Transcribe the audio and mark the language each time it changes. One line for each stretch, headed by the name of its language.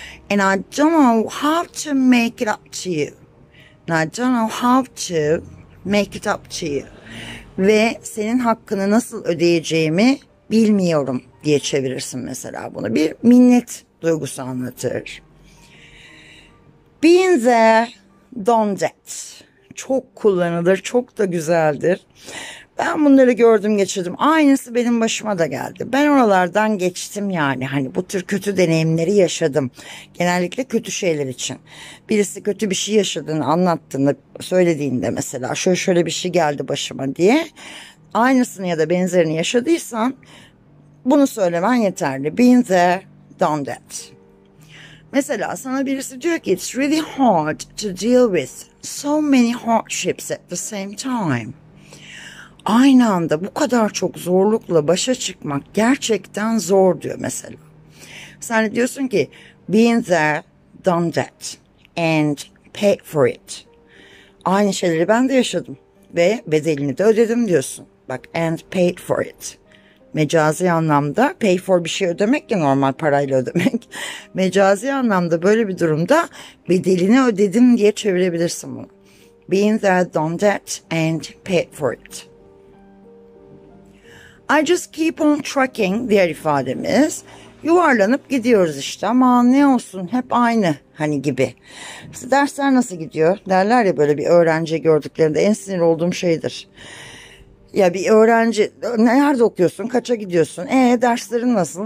English: And I don't know how to make it up to you. And I don't know how to make it up to you.
Turkish: Ve senin hakkını nasıl ödeyeceğimi bilmiyorum diye çevirirsin mesela bunu. Bir minnet duygusu anlatır.
English: Been there, done that.
Turkish: Çok kullanılır, çok da güzeldir. Ben bunları gördüm geçirdim. Aynısı benim başıma da geldi. Ben oralardan geçtim yani. Hani bu tür kötü deneyimleri yaşadım. Genellikle kötü şeyler için. Birisi kötü bir şey yaşadığını anlattığında, söylediğinde mesela şöyle şöyle bir şey geldi başıma diye. Aynısını ya da benzerini yaşadıysan bunu söylemen yeterli.
English: Been there, done that.
Turkish: Mesela sana birisi diyor ki
English: it's really hard to deal with so many hardships at the same time.
Turkish: Aynı anda bu kadar çok zorlukla başa çıkmak gerçekten zor diyor mesela. Sen diyorsun ki
English: been there, done that and paid for it.
Turkish: Aynı şeyleri ben de yaşadım ve bedelini de ödedim diyorsun. Bak
English: and paid for it.
Turkish: Mecazi anlamda pay for bir şey ödemek ya normal parayla ödemek. Mecazi anlamda böyle bir durumda bedelini ödedim diye çevirebilirsin bunu.
English: Been there, done that and paid for it. I just keep on trucking
Turkish: diğer ifademiz. Yuvarlanıp gidiyoruz işte ama ne olsun hep aynı hani gibi. İşte dersler nasıl gidiyor? Derler ya böyle bir öğrenci gördüklerinde en sinir olduğum şeydir. Ya bir öğrenci, nerede okuyorsun, kaça gidiyorsun, derslerin nasıl?